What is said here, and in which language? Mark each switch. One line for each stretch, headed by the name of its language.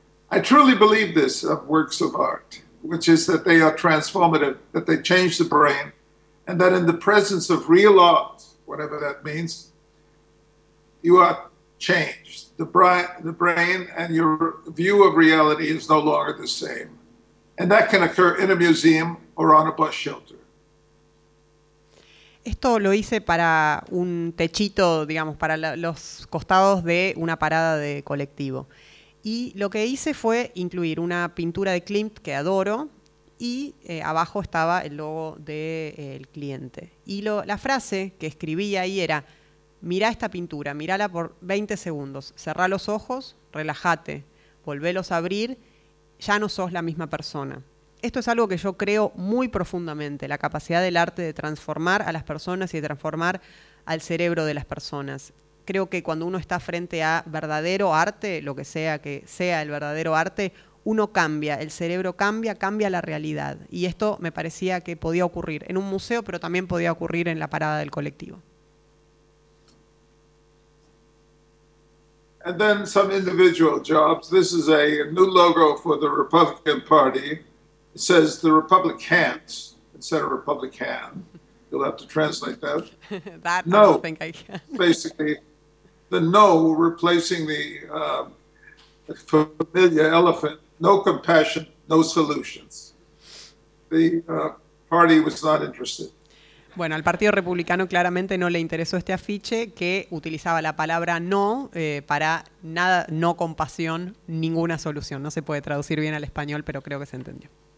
English: I truly believe this of works of art, which is that they are transformative, that they change the brain, and that in the presence of real art, whatever that means, you are changed. The brain and your view of reality is no longer the same. And that can occur in a museum or on a bus shelter.
Spanish: Esto lo hice para un techito, digamos, para los costados de una parada de colectivo. Y lo que hice fue incluir una pintura de Klimt que adoro y abajo estaba el logo del cliente. Y la frase que escribí ahí era, mirá esta pintura, mírala por 20 segundos, cerrá los ojos, relájate, volvelos a abrir, ya no sos la misma persona. Esto es algo que yo creo muy profundamente, la capacidad del arte de transformar a las personas y de transformar al cerebro de las personas. Creo que cuando uno está frente a verdadero arte, lo que sea el verdadero arte, uno cambia, el cerebro cambia, cambia la realidad. Y esto me parecía que podía ocurrir en un museo, pero también podía ocurrir en la parada del colectivo.
English: And then some individual jobs. This is a new logo for the Republican Party. It says the Republicans instead of Republican. You'll have to translate that. That no, I don't think I can. Basically, the no replacing the familiar elephant. No compassion, no solutions. The party was not interested.
Spanish: Bueno, al Partido Republicano claramente no le interesó este afiche que utilizaba la palabra no para nada, no compasión, ninguna solución. No se puede traducir bien al español, pero creo que se entendió.